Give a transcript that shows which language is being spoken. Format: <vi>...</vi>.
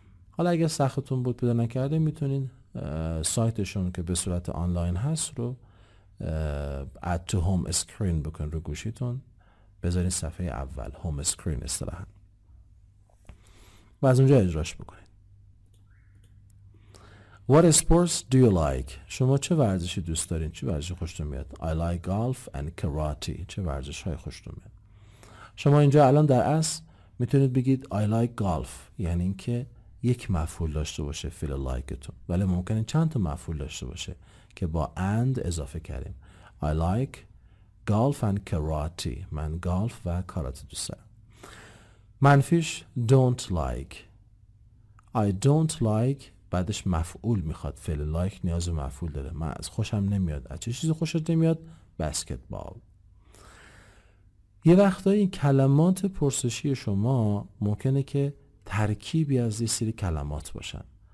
<fa>حالا اگر سختتون بود پیدا نکرده میتونید سایتشون که به صورت آنلاین هست رو add to home screen بکن رو گوشیتون، بذارین صفحه اول home screen اصطلاحا و از اونجا اجراش بکنید.</fa> <en>What sports do you like؟</en> <fa>شما چه ورزشی دوست دارین؟ چه ورزشی خوشتون میاد؟</fa> <en>I like golf and karate.</en> <fa>چه ورزش های خوشتون میاد؟ شما اینجا الان در اصل میتونید بگید</fa> <en>I like golf،</en> <fa>یعنی اینکه یک مفعول داشته باشه فعل لایکتون، ولی ممکنه چند تا مفعول داشته باشه که با and اضافه کردیم.</fa> <en>I like golf and karate.</en> <fa>من golf و karate دوست دارم. منفیش don't like.</fa> <en>I don't like</en> <fa>بعدش مفعول میخواد، فعل like نیاز مفعول داره، من از خوشم نمیاد. از چه چیزی خوشت نمیاد؟ بسکتبال. یه وقتایی کلمات پرسشی شما ممکنه که ترکیبی از یه سری کلمات باشن.</fa>